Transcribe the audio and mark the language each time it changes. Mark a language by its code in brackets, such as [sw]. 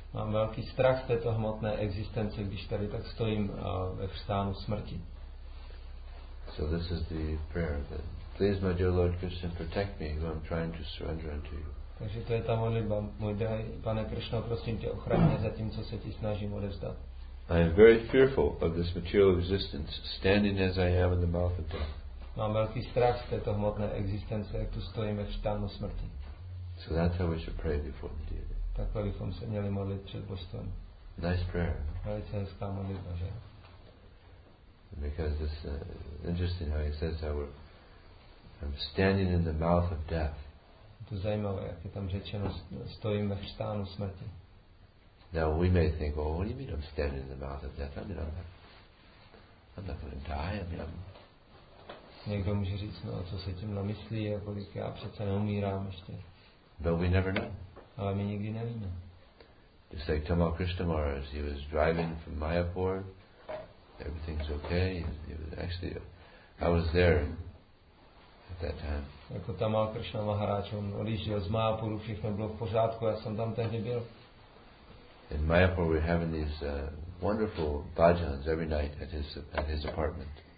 [cs] Mám velký strach z této hmotné existence, když tady tak stojím ve stánu smrti. [en] So this is the prayer that, please, my dear Lord Krishna, protect me who I'm trying to surrender unto you. [cs] Takže to je ta modlitba, můj drahý pane Krishna, prosím tě, ochraň mě za tím, co se ti snažím odevzdat. [en] I am very fearful of this material existence, standing as I am in the mouth of death. [cs] Mám velký strach z této hmotné existence, jak tu stojím ve stánu smrti. [en] So that's how we should pray before the deity. [cs] Takhle bychom se měli modlit před božstvem. [en] Nice prayer. [cs] Velice hezká modlitba, že? [en] Because it's interesting how he says that I'm standing in the mouth of death. [cs] To je zajímavé, jak je tam řečeno, stojím ve stánu smrti. [en] Now we may think, oh, what do you mean I'm standing in the mouth of death? I mean, I'm not going to die. I mean, I'm... [cs] Někdo může říct, no, co se tím namyslí, kolik já přece neumírám ještě. [en] But we never know. [cs] Ale my nikdy nevíme. [en] Just like Tamal Krishnamara, he was driving from Mayapur. Everything's okay. He was actually, I was there at that time. [cs] Jako Tamal Krishnamara, on odjížděl z Mayapuru, všechno bylo v pořádku, já jsem tam tehdy byl. [en] In Mayapur we're having these wonderful bhajans every night at his apartment.